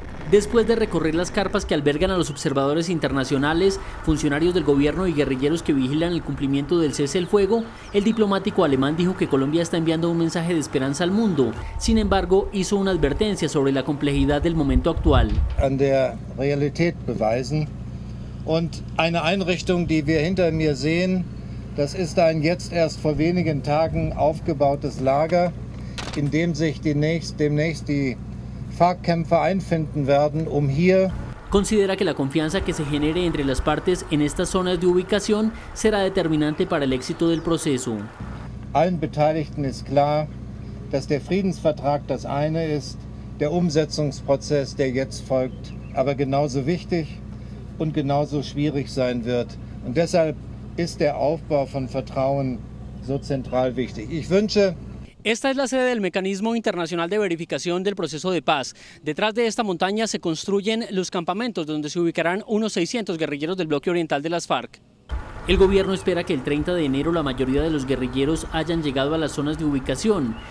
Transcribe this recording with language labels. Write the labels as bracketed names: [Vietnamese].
[Spanish] Después de recorrer las carpas que albergan a los observadores internacionales, funcionarios del gobierno y guerrilleros que vigilan el cumplimiento del cese el fuego, el diplomático alemán dijo que Colombia está enviando un mensaje de esperanza al mundo. Sin embargo, hizo una advertencia sobre la complejidad del momento actual. [German] An der Realität beweisen und eine Einrichtung, die wir hinter mir sehen, das ist ein jetzt erst vor wenigen Tagen aufgebautes Lager, in dem sich demnächst die Fahrkämpfer einfinden werden, um hier. [Spanish] Considera que la confianza que se genere entre las partes en estas zonas de ubicación será determinante para el éxito del proceso. [German] Allen Beteiligten ist klar, dass der Friedensvertrag das eine ist, der Umsetzungsprozess, der jetzt folgt, aber genauso wichtig und genauso schwierig sein wird. Und deshalb ist der Aufbau von Vertrauen so zentral wichtig. Ich wünsche. [Spanish] Esta es la sede del Mecanismo Internacional de Verificación del Proceso de Paz. Detrás de esta montaña se construyen los campamentos donde se ubicarán unos 600 guerrilleros del bloque oriental de las FARC. El gobierno espera que el 30 de enero la mayoría de los guerrilleros hayan llegado a las zonas de ubicación.